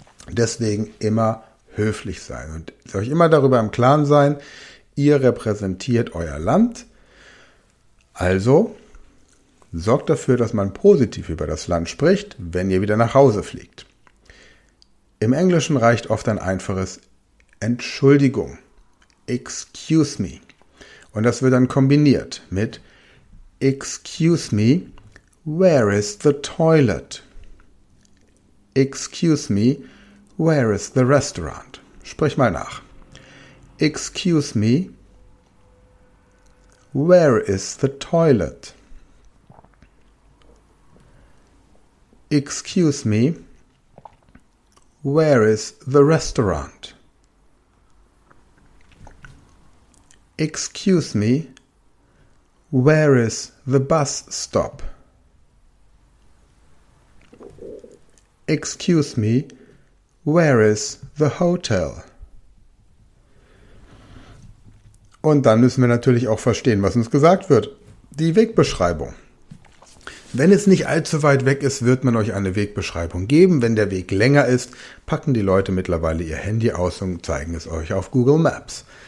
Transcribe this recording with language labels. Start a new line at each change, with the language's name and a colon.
German: Deswegen immer höflich sein und euch immer darüber im Klaren sein, ihr repräsentiert euer Land, also sorgt dafür, dass man positiv über das Land spricht, wenn ihr wieder nach Hause fliegt. Im Englischen reicht oft ein einfaches Entschuldigung, excuse me, und das wird dann kombiniert mit
English: excuse me, where is the toilet? Excuse me, where is the restaurant?
German: Sprich mal nach.
English: Excuse me, where is the toilet? Excuse me, where is the restaurant? Excuse me, where is the bus stop? Excuse me, where is the hotel?
German: Und dann müssen wir natürlich auch verstehen, was uns gesagt wird. Die Wegbeschreibung. Wenn es nicht allzu weit weg ist, wird man euch eine Wegbeschreibung geben. Wenn der Weg länger ist, packen die Leute mittlerweile ihr Handy aus und zeigen es euch auf Google Maps.